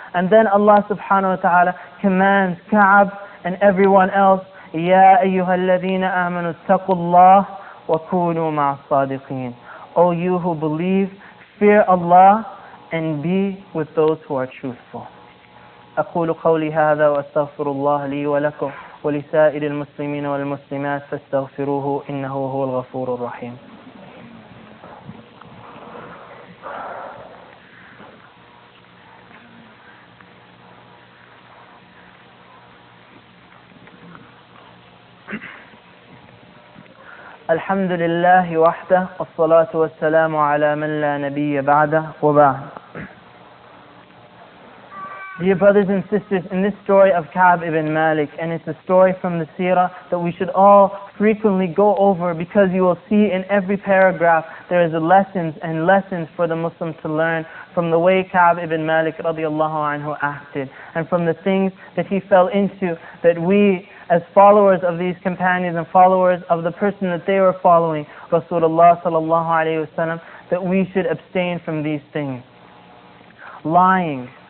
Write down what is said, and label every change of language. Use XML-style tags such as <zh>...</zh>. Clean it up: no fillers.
<en>And then Allah subhanahu wa ta'ala commands Ka'b and everyone else,</en> <ar>يَا أَيُّهَا الَّذِينَ آمَنُوا اتَّقُوا اللَّهِ وَكُونُوا مَعَ الصَّادِقِينَ,</ar> <en>O you who believe, fear Allah and be with those who are truthful.</en> <ar>أَقُولُ قَوْلِ هَذَا وَأَسْتَغْفِرُ اللَّهَ لِي وَلَكُمْ ولسائر المسلمين والمسلمات فاستغفروه إنه هو الغفور الرحيم. الحمد لله وحده, والصلاة والسلام على من لا نبي بعده, وبعد.</ar> <en>Dear brothers and sisters, in this story of Ka'b ibn Malik, and it's a story from the seerah that we should all frequently go over, because you will see in every paragraph there is a lessons and lessons for the Muslim to learn from the way Ka'b ibn Malik radiallahu anhu acted, and from the things that he fell into, that we as followers of these companions and followers of the person that they were following, Rasulullah sallallahu alayhi wa sallam, that we should abstain from these things. Lying.</en>